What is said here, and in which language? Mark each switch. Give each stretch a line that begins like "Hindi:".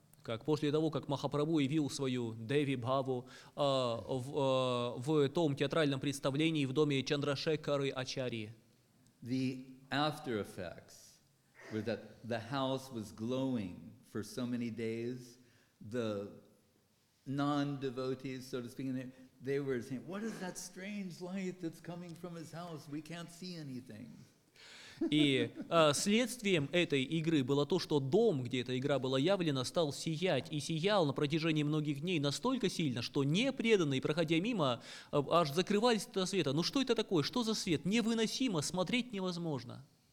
Russian: Как после того, как Махапрабху явил свою Деви Бхаву в том театральном представлении в доме Чандрашекары Ачарьи.
English: The after effects were that the house was glowing for so many days, the non-devotees, so to speak, they were saying, what is that strange light that's coming from his house? We can't see anything.
Russian: И следствием этой игры было то, что дом, где эта игра была явлена, стал сиять и сиял на протяжении многих дней настолько сильно, что непреданные, проходя мимо, аж закрывались от света. Ну что это такое? Что за свет? Невыносимо, смотреть невозможно.